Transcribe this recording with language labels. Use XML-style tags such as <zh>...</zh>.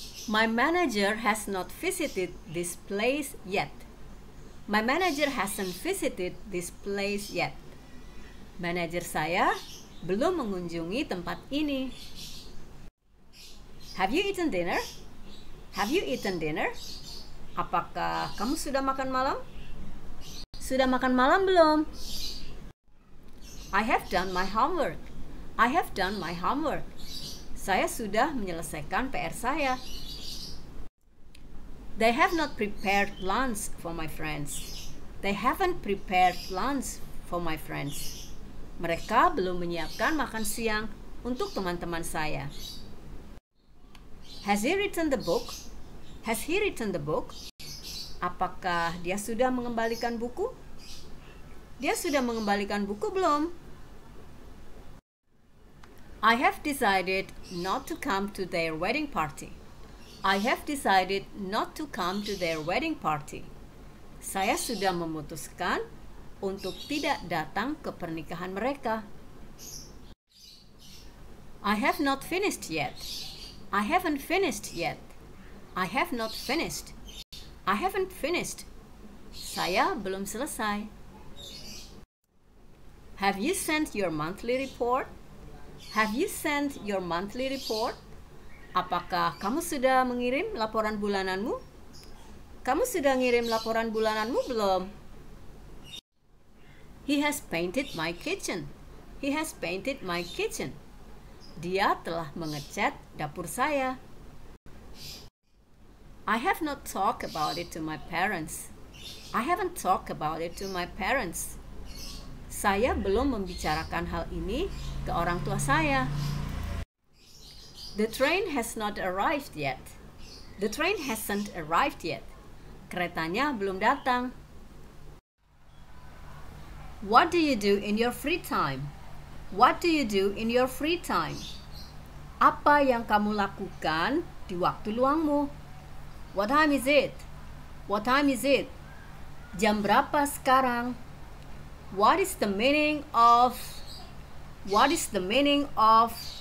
<en>My manager has not visited this place yet. My manager hasn't visited this place yet.</en> <id>Manager saya belum mengunjungi tempat ini.</id> <en>Have you eaten dinner? Have you eaten dinner?</en> <id>Apakah kamu sudah makan malam? Sudah makan malam belum?</id> <en>I have done my homework. I have done my homework.</en> <id>Saya sudah menyelesaikan PR saya.</id> <en>They have not prepared lunch for my friends. They haven't prepared lunch for my friends.</en> <id>Mereka belum menyiapkan makan siang untuk teman-teman saya.</id> <en>Has he written the book? Has he written the book?</en> <id>Apakah dia sudah mengembalikan buku? Dia sudah mengembalikan buku belum?</id> <en>I have decided not to come to their wedding party. I have decided not to come to their wedding party.</en> <id>Saya sudah memutuskan untuk tidak datang ke pernikahan mereka.</id> <en>I have not finished yet. I haven't finished yet. I have not finished. I haven't finished.</en> <id>Saya belum selesai.</id> <en>Have you sent your monthly report? Have you sent your monthly report?</en> <id>Apakah kamu sudah mengirim laporan bulananmu? Kamu sudah ngirim laporan bulananmu belum?</id> <en>He has painted my kitchen. He has painted my kitchen.</en> <id>Dia telah mengecat dapur saya.</id> <en>I have not talked about it to my parents. I haven't talked about it to my parents.</en> <id>Saya belum membicarakan hal ini ke orang tua saya.</id> <en>The train has not arrived yet. The train hasn't arrived yet.</en> <id>Keretanya belum datang.</id> <en>What do you do in your free time? What do you do in your free time?</en> <id>Apa yang kamu lakukan di waktu luangmu?</id> <en>What time is it? What time is it?</en> <id>Jam berapa sekarang?</id> <en>What is the meaning of? What is the meaning of?</en>